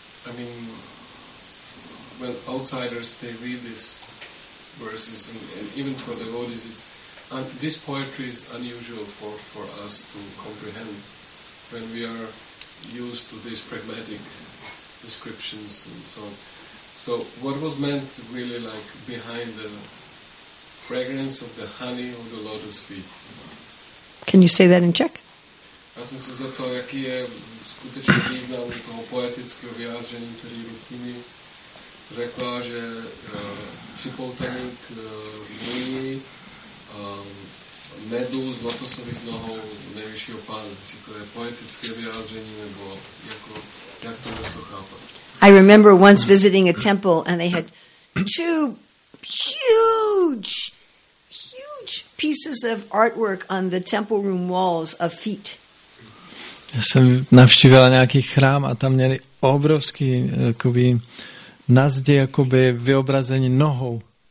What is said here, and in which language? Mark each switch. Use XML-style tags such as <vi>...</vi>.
<en>I mean, when outsiders they read these verses and even for devotees it's and this poetry is unusual for us to comprehend when we are used to this pragmatic descriptions and so on. So what was meant really like behind the fragrance of the honey of the lotus feet? Can you say that in Czech?</en> <cs>Vlastně jsem se zeptal, jaký je skutečný význam toho poetického vyjádření, který Rukmini řekla, že připoutaný k vůni medu z lotosových nohou nejvyššího pána. Či to je poetické vyjádření, nebo jako, jak to dnes to chápat?</cs> <en>I remember once visiting a temple and they had two huge, huge pieces of artwork on the temple room walls of feet.</en> <cs>Já jsem navštívila nějaký chrám a tam měli obrovský jakoby, na zdi jakoby vyobrazení nohou.</cs>